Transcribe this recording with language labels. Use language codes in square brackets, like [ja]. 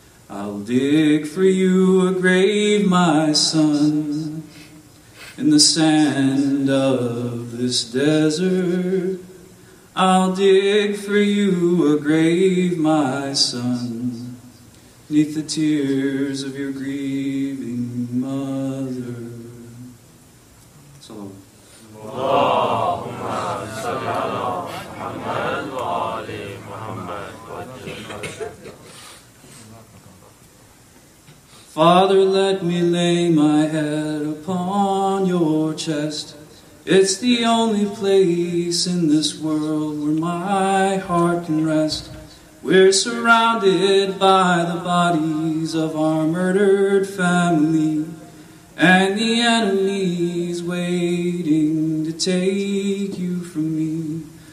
[en] I'll dig for you a grave, my son, in the sand of this desert. I'll dig for you a grave, my son, neath the tears of your grieving mother. [ar] اللهم صل على محمد وعلى محمد [en] Father, let me lay my head upon your chest. It's the only place in this world where my heart can rest. We're surrounded by the bodies of our murdered family and the enemies waiting to take you from me.